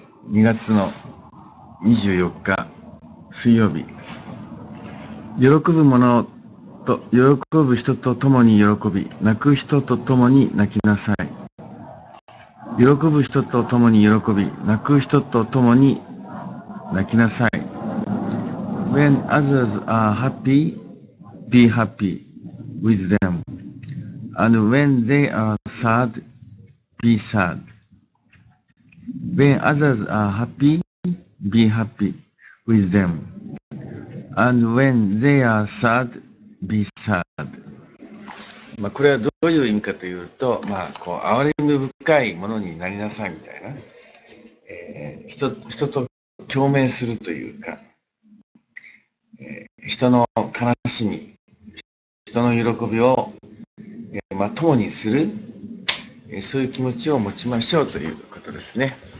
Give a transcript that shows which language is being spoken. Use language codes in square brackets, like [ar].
[ja] 2月の24日水曜日、喜ぶ者と喜ぶ人と共に喜び、泣く人と共に泣きなさい。喜ぶ人と共に喜び、泣く人と共に泣きなさい。 [en] When others are happy, be happy with them, and when they are sad, be sad. When others are happyBe happy with them. And when they are sad, be sad. [ja] まあこれはどういう意味かというと、まあこう哀れみ深いものになりなさいみたいな、人と共鳴するというか、人の悲しみ、人の喜びを、まあ共にする、そういう気持ちを持ちましょうということですね。